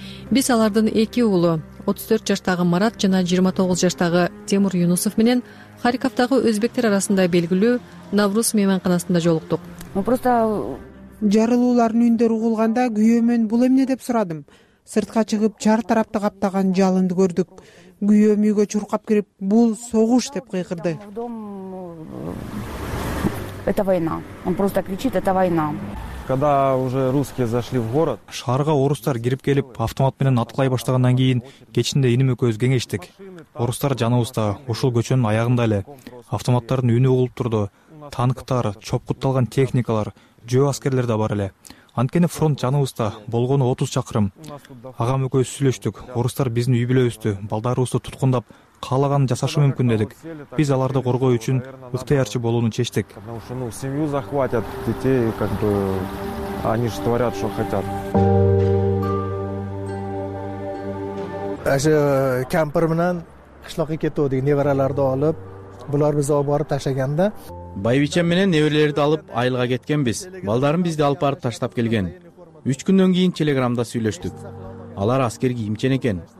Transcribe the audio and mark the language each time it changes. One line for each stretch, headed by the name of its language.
Kyrgyz: Биз алардын эки уулу 34 жаштагы Марат жана 29 жаштагы Темур Юнусов менен Харьковтагы өзбектер арасында белгилүү Навруз мейманканасында жолуктук.
Russian: Просто
Kyrgyz: жарылуулардын үндөрү угулганда күйөөмөн бул эмне деп сурадым. Сыртка чыгып чар тарапты каптаган жалынды көрдүк. Күйөөм үйгө чуркап кирип, бул согуш деп кыйкырды.
Russian: Это война. Он просто кричит, это война. Когда уже русские зашли в город,
Kyrgyz: шаарга орустар кирип келип, автомат менен аткылай баштагандан кийин кечинде иним экөөбүз кеңештик. Орустар жаныбызда, ушул көчөнүн аягында эле автоматтардын үнү угулуп турду. Танктар, чопкутталган техникалар, жөө аскерлер да бар эле. Анткени фронт жаныбызда болгону 30 чакырым. Агам экөөбүз сүйлөштүк. Орустар биздин үй-бүлөбүздү, балдарыбызды туткундап, каалаганын жасашы мүмкүн дедик. Биз аларды коргоо үчүн ыктыярчы болууну чечтик.
Russian: Семью захватят детей, как бы они же творят, что хотят.
Uzbek: Ашы кемпер менен кышлакка кетүүдү, неверелерди алып, булар бизге алып барып ташаганда.
Kyrgyz: Байбичем менен неверелерди алып айылга кеткенбиз. Балдарым бизди алып барып таштап келген. 3 күндөн кийин телеграмда сүйлөштүк. Алар аскер кийимчен экен.